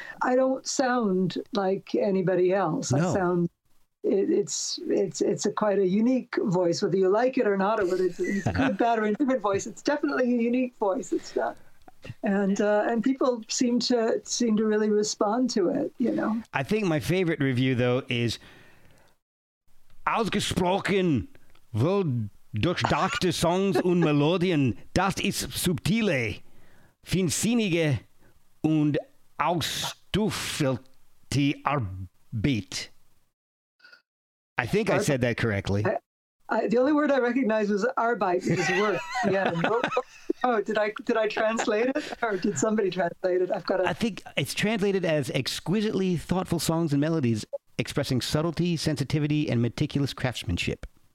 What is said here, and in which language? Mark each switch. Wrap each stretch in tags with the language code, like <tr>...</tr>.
<en>I don't sound like anybody else. No. It's a quite a unique voice, whether you like it or not, or whether it's a good, bad, or indifferent voice. It's definitely a unique voice. It's not. And people seem to really respond to it, you know. I think my favorite review though is</en> <de>ausgesprochen wohl durchdachte Songs und Melodien, das ist subtile, feinsinnige und ausgefüllte Arbeit.</de> <en>I think I said that correctly. The only word I recognize was Arbeit, which is work. Yeah. did I translate it or did somebody translate it? I think it's translated as exquisitely thoughtful songs and melodies expressing subtlety, sensitivity, and meticulous craftsmanship.</en>